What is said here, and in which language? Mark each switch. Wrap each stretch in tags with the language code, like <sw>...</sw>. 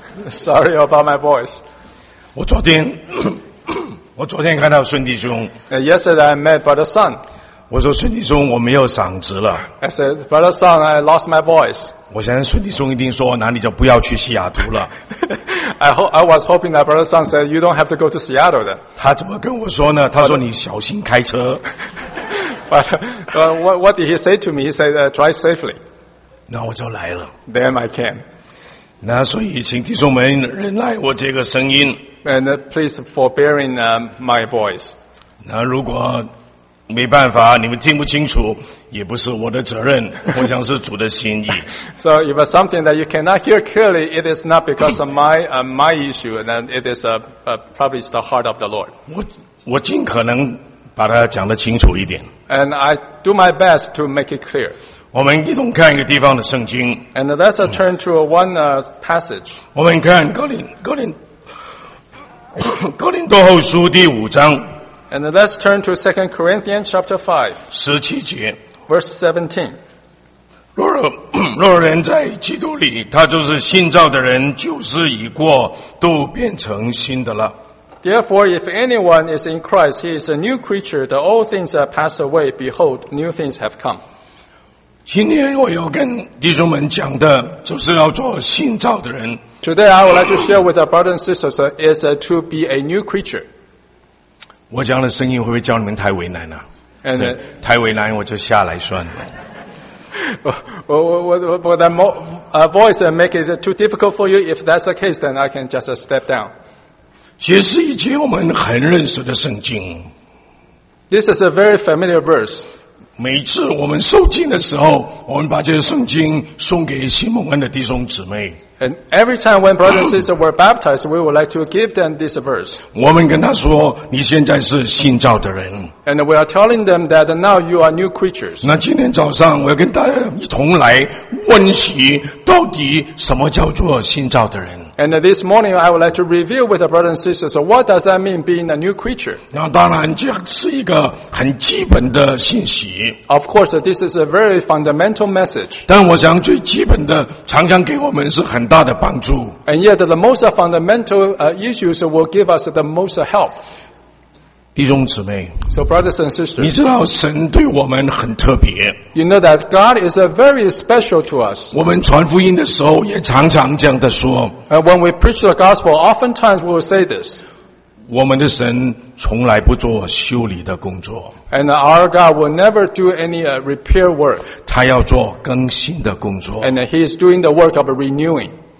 <en>Sorry about my voice.</en> <zh>我昨天看到孙弟兄。</zh> <en>Yesterday I met Brother Sun.</en> <zh>我说孙弟兄，我没有嗓子了。</zh> <en>I said, Brother Sun, I lost my voice.</en> <zh>我想孙弟兄一定说，那你就不要去西雅图了。</zh> <en>I was hoping that Brother Sun said you don't have to go to Seattle. Then.</en> <zh>他怎么跟我说呢？他说你小心开车。</zh> <en>But what did he say to me? He said, drive safely.</en> <zh>那我就来了。</zh> <en>Then I came.</en> <zh>那所以请弟兄们忍耐我这个声音。</zh> <en>And please forbearing my voice.</en> <zh>那如果没办法，你们听不清楚，也不是我的责任，我想是主的心意。</zh> <en>So if it's something that you cannot hear clearly, it is not because of my issue, and it is probably the heart of the Lord.</en> <zh>我尽可能把它讲得清楚一点。</zh> <en>And I do my best to make it clear.</en> <zh>我们一同看一个地方的圣经。</zh> <en>And let's turn to one passage.</en> <zh>我们看哥林多后书第五章。</zh> <en>And let's turn to 2 Corinthians chapter 5.</en> <zh>17节。</zh> <en>Verse 17.</en> <zh>若人在基督里，他就是新造的人，旧事已过，都变成新的了。</zh> <en>Therefore, if anyone is in Christ, he is a new creature. The old things have passed away. Behold, new things have come.</en> <zh>今天我要跟弟兄们讲的就是要做新造的人。</zh> <en>Today, I would like to share with our brothers and sisters is to be a new creature.</en> <zh>我讲的声音会不会叫你们太为难呢、啊？</zh> <en>And,</en> <zh>太为难我就下来算了。我的</zh> <en>voice make it too difficult for you. If that's the case, then I can just step down.</en> <zh>其实以前我们很认识的圣经。</zh> <en>This is a very familiar verse.</en> <zh>每次我们受浸的时候，我们把这些圣经送给新蒙恩的弟兄姊妹。</zh> <en>And every time when brothers and sisters were baptized, we would like to give them this verse.</en> <zh>我们跟他说，你现在是新造的人。</zh> <en>And we are telling them that now you are new creatures.</en> <zh>那今天早上我要跟大家一同来温习，到底什么叫做新造的人。</zh> <en>And this morning, I would like to review with the brothers and sisters, so what does that mean being a new creature?</en> <zh>那当然，这是一个很基本的信息。</zh> <en>Of course, this is a very fundamental message.</en> <zh>但我想最基本的，常常给我们是很大的帮助。</zh> <en>And yet, the most fundamental issues will give us the most help.</en> <zh>弟兄姊妹</zh> <en>，So brothers and sisters,</en> <zh>你知道神对我们很特别。</zh> <en>You know that God is very special to us.</en> <zh>我们传福音的时候也常常这样的说。</zh> <en>When we preach the gospel, oftentimes we will say this.</en> <zh>我们的神从来不做修理的工作。</zh> <en>And our God will never do any repair work.</en> <zh>他要做更新的工作。</zh> <en>And He is doing the work of renewing.</en>